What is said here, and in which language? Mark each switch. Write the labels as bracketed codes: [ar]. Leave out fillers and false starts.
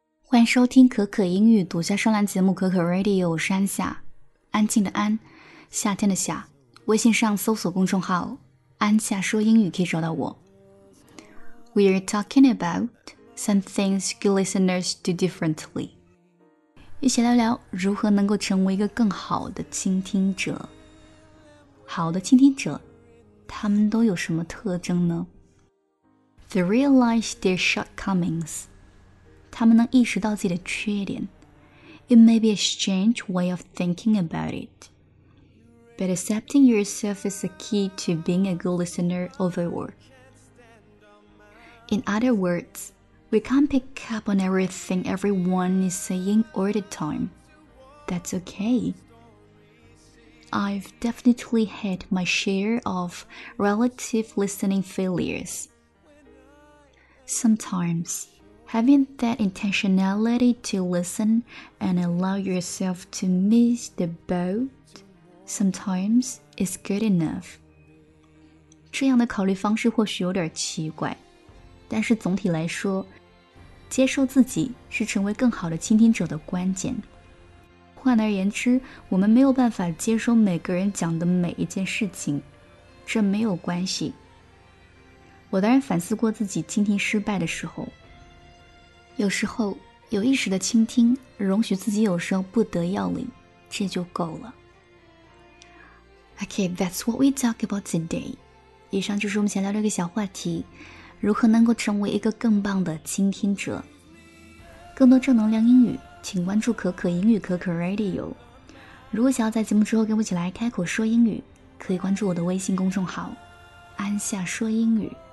[zh] 欢迎收听可可英语独家专栏节目可可 Radio， 我是安夏，安静的安，夏天的夏。微信上搜索公众号安夏说英语可以找到我。 [en] We are talking about some things good listeners do differently， [zh] 一起聊聊如何能够成为一个更好的倾听者。好的倾听者他们都有什么特征呢？ [en] They realize their shortcomings， [zh] 他们能意识到自己的缺点。 [en] It may be a strange way of thinking about it, but accepting yourself is a key to being a good listener overall. In other words, we can't pick up on everything everyone is saying all the time. That's okay. I've definitely had my share of relative listening failures. Sometimes,Having that intentionality to listen and allow yourself to miss the boat sometimes is good enough. [zh] 这样的考虑方式或许有点奇怪，但是总体来说，接受自己是成为更好的倾听者的关键。换而言之，我们没有办法接收每个人讲的每一件事情，这没有关系。我当然反思过自己倾听失败的时候，有时候有意识的倾听，容许自己有时候不得要领，这就够了。 [en] Okay, that's what we talk about today. [zh] 以上就是我们想聊的一个小话题，如何能够成为一个更棒的倾听者。更多正能量英语，请关注可可英语可可 Radio。如果想要在节目之后跟我一起来开口说英语，可以关注我的微信公众号安夏说英语。